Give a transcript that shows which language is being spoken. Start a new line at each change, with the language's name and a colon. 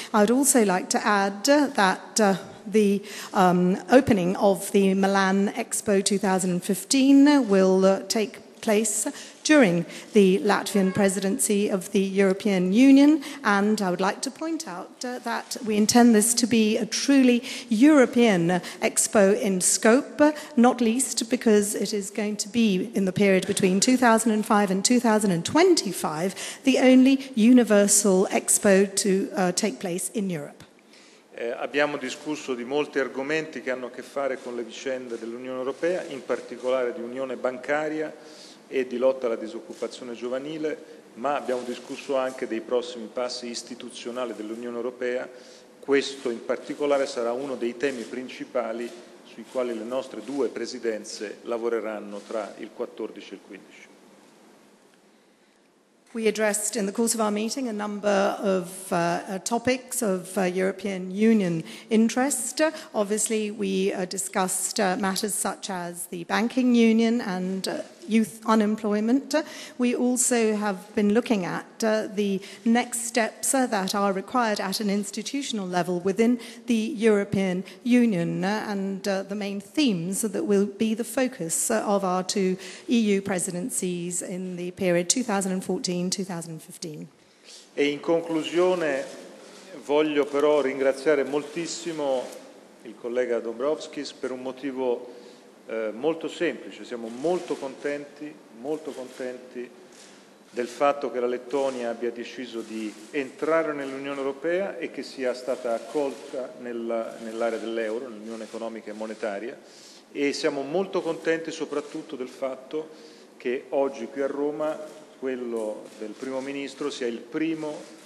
English: I would also like to add that the opening of the Milan Expo 2015 will take place during the Latvian presidency of the European Union, and I would like to point out that we intend this to be a truly European expo in scope, not least because it is going to be in the period between 2005 and 2025 the only universal expo to take place in Europe.
Italian: Abbiamo discusso di molti argomenti che hanno a che fare con le vicende dell'Unione Europea, in particolare di unione bancaria e di lotta alla disoccupazione giovanile, ma abbiamo discusso anche dei prossimi passi istituzionali dell'Unione Europea. Questo in particolare sarà uno dei temi principali sui quali le nostre due presidenze lavoreranno tra il 14 e il 15.
English: We addressed in the course of our meeting a number of topics of European Union interest. Obviously, we discussed matters such as the banking union and youth unemployment. We also have been looking at the next steps that are required at an institutional level within the European Union and the main themes that will be the focus of our two EU presidencies in the period 2014-2015.
Italian: E in conclusione voglio però ringraziare moltissimo il collega Dombrovskis per un motivo molto semplice. Siamo molto contenti del fatto che la Lettonia abbia deciso di entrare nell'Unione Europea e che sia stata accolta nell'area dell'euro, nell'Unione Economica e Monetaria, e siamo molto contenti soprattutto del fatto che oggi qui a Roma quello del Primo Ministro sia il primo